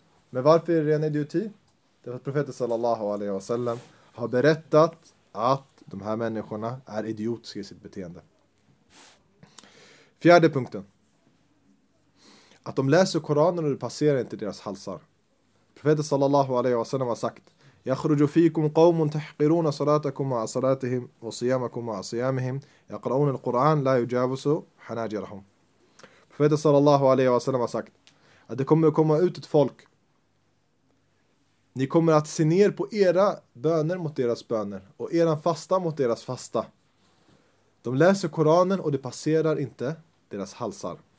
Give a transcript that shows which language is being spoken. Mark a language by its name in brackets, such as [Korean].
[Swedish] Men varför är det ren idioti? Det är för att profeten sallallahu alaihi wasallam har berättat att de här människorna är idiotiska i sitt beteende. Fjärde punkten. Att de läser Koranen och det passerar inte deras halsar. Profeten sallallahu alaihi wasallam har sagt: [Arabic] يخرج فيكم قوم تحقرون صلاتكم مع صلاتهم وصيامكم مع صيامهم يقرؤون القرآن لا يجاوز حناجرهم. [Swedish] Profeten sallallahu alaihi wasallam har sagt att det kommer att komma ut ett folk. Ni kommer att se ner på era böner mot deras böner och eran fasta mot deras fasta. De läser Koranen och det passerar inte deras halsar.